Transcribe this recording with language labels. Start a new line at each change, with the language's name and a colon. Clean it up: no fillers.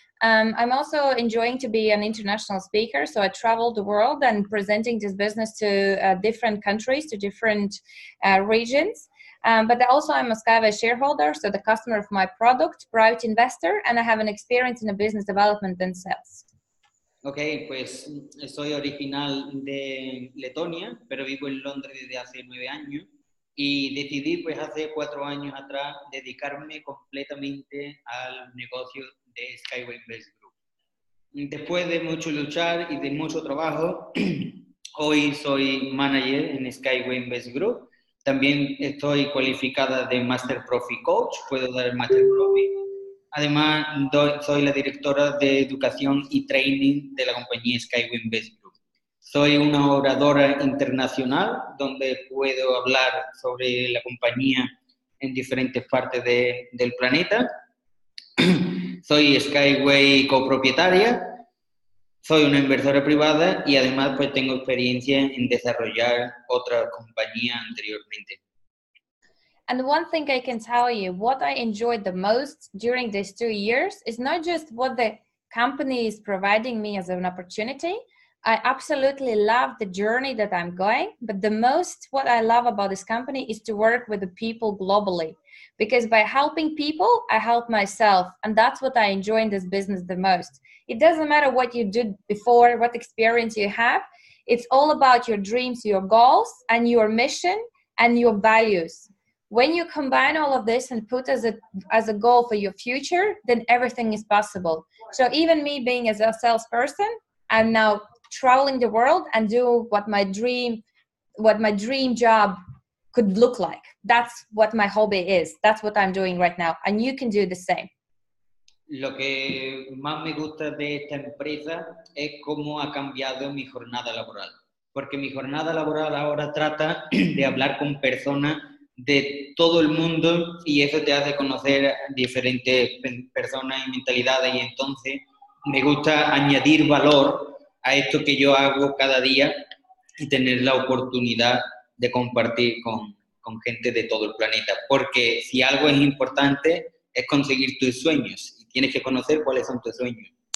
English: I'm also enjoying to be an international speaker, so I travel the world and presenting this business to different countries, to different regions. But also I'm a SkyWay shareholder, so the customer of my product, private investor, and I have an experience in the business development and sales.
Spanish: Okay, pues soy original de Letonia, pero vivo en Londres desde hace 9 años y decidí pues hace 4 años atrás dedicarme completamente al negocio de SkyWay Invest Group. Después de mucho luchar y de mucho trabajo, hoy soy manager en SkyWay Invest Group. También estoy cualificada de Master Profi Coach, puedo dar el Master Profi. Además, soy la directora de educación y training de la compañía SkyWay Invest Group. Soy una oradora internacional donde puedo hablar sobre la compañía en diferentes partes del planeta. Soy SkyWay copropietaria, soy una inversora privada y además pues tengo experiencia en desarrollar otra compañía anteriormente.
English: And one thing I can tell you, what I enjoyed the most during these 2 years is not just what the company is providing me as an opportunity. I absolutely love the journey that I'm going, but the most what I love about this company is to work with the people globally. Because by helping people, I help myself. And that's what I enjoy in this business the most. It doesn't matter what you did before, what experience you have. It's all about your dreams, your goals, and your mission, and your values. When you combine all of this and put as a goal for your future, then everything is possible. So even me being as a salesperson, I'm now traveling the world and do what my dream job could look like. That's what my hobby is. That's what I'm doing right now. And you can do the same.
Spanish: Lo que más me gusta de esta empresa es cómo ha cambiado mi jornada laboral. Porque mi jornada laboral ahora trata de hablar con personas de todo el mundo y eso te hace conocer diferentes personas y mentalidades y entonces me gusta añadir valor a esto que yo hago cada día y tener la oportunidad de compartir con gente de todo el planeta porque si algo es importante es conseguir tus sueños y tienes que conocer cuáles son tus sueños.